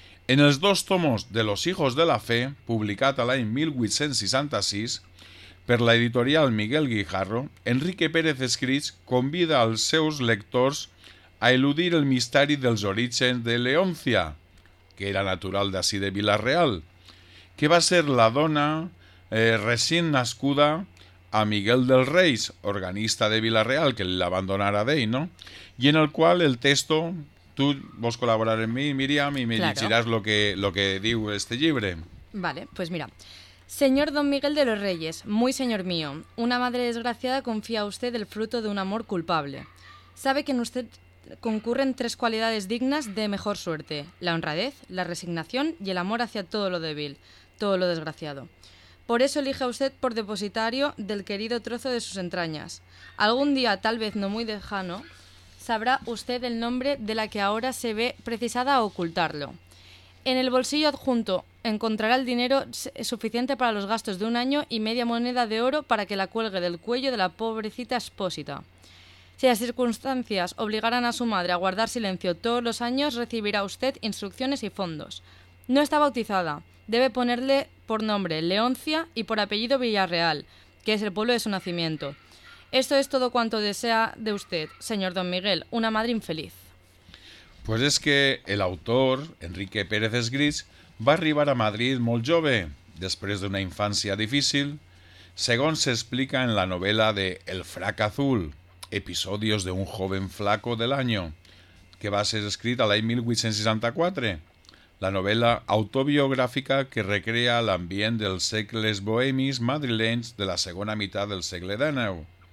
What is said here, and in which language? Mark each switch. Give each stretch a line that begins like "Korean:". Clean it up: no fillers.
Catalan: En els dos tomos de Los hijos de la fe, publicat l'any 1866 per la editorial Miguel Guijarro, Enrique Pérez Esgrits convida als seus lectors a eludir el misteri dels orígens de Leoncia, que era natural d'ací de Vila-real, que va ser la dona recent nascuda a Miguel del Reis, organista de Vila-real, que l'abandonara d'ell, no? I en el qual el texto, tu vols col·laborar amb mi, Míriam, i me llegiràs lo que diu este llibre.
Spanish: Vale, pues mira. Señor don Miguel de los Reyes, muy señor mío, una madre desgraciada confía a usted el fruto de un amor culpable. Sabe que en usted concurren tres cualidades dignas de mejor suerte: la honradez, la resignación y el amor hacia todo lo débil, todo lo desgraciado. Por eso elige a usted por depositario del querido trozo de sus entrañas. Algún día, tal vez no muy lejano, sabrá usted el nombre de la que ahora se ve precisada a ocultarlo. En el bolsillo adjunto encontrará el dinero suficiente para los gastos de un año y media moneda de oro para que la cuelgue del cuello de la pobrecita expósita. Si las circunstancias obligaran a su madre a guardar silencio todos los años, recibirá usted instrucciones y fondos. No está bautizada. Debe ponerle por nombre Leoncia y por apellido Villarreal, que es el pueblo de su nacimiento. Esto es todo cuanto desea de usted, señor don Miguel, una madre infeliz.
Catalan: Pues es que el autor, Enrique Pérez Esgrits, va arribar a Madrid molt jove, després d'una infància difícil, segons s'explica en la novel·la de El frac azul, episodios de un joven flaco de l'any, que va ser escrita l'any 1864, la novel·la autobiogràfica que recrea l'ambient dels segles bohemis madrilenys de la segona meitat del segle XIX.